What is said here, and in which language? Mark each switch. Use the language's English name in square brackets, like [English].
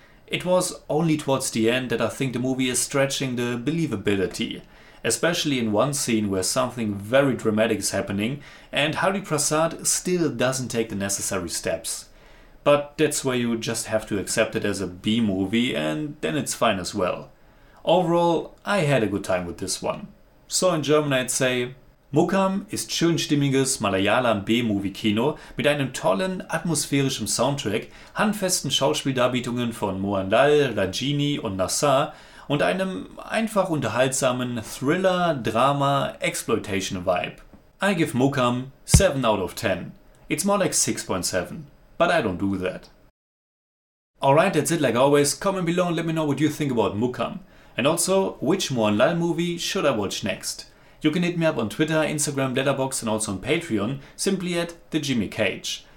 [English] It was only towards the end that I think the movie is stretching the believability, especially in one scene where something very dramatic is happening and Hari Prasad still doesn't take the necessary steps. but that's where you just have to accept it as a B-movie and then it's fine as well. Overall, I had a good time with this one. [German] So in German I'd say, Mukham ist schönstimmiges Malayalam B-Movie-Kino mit einem tollen, atmosphärischen Soundtrack, handfesten Schauspieldarbietungen von Mohanlal, Rajini und Nassar und einem einfach unterhaltsamen Thriller-Drama-Exploitation-Vibe. [English] I give Mukham 7 out of 10. It's more like 6.7, but I don't do that. Alright, that's it. Like always, comment below and let me know what you think about Mukham. And also, which Mohanlal movie should I watch next? You can hit me up on Twitter, Instagram, Letterboxd and also on Patreon, simply at The Jimmy Cage.